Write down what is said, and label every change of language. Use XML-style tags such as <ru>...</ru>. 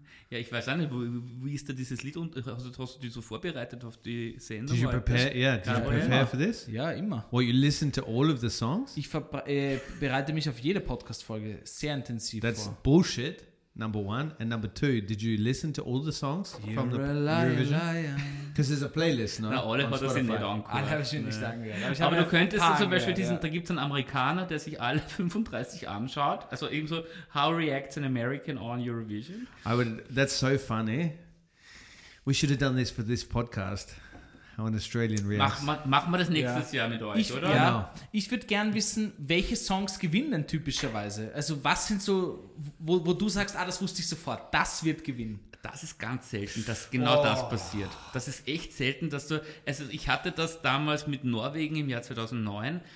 <de>Ja, ich weiß auch nicht, wie ist da dieses Lied? Und hast du dich so vorbereitet auf die Sendung?</de> <en>Did you prepare, prepare for this?</en> <de>Ja, immer.</de> <en>Well, you listen to all of the songs?</en> <de>Ich bereite mich auf jede Podcast-Folge sehr intensiv</de> <en>That's</en> <de>vor.</de> <en>That's bullshit. Number one. And number two, did you listen to all the songs from the Eurovision? Because there's a playlist, no?</en> <de>Na, alle hat das nicht angehört. Alle habe ich nicht angehört. Aber du könntest zum Beispiel diesen, da gibt es einen Amerikaner, der sich alle 35 anschaut. Also eben so,</de> <en>how reacts an American on Eurovision? That's so funny. We should have done this for this podcast. How an Australian reacts.</en> <de>Machen wir das nächstes Jahr mit euch, oder? Ja. Ich würde gern wissen, welche Songs gewinnen denn typischerweise? Also was sind so, wo du sagst, das wusste ich sofort, das wird gewinnen. Das ist ganz selten, dass genau das passiert. Das ist echt selten, dass du, also ich hatte das damals mit Norwegen im Jahr 2009.</de>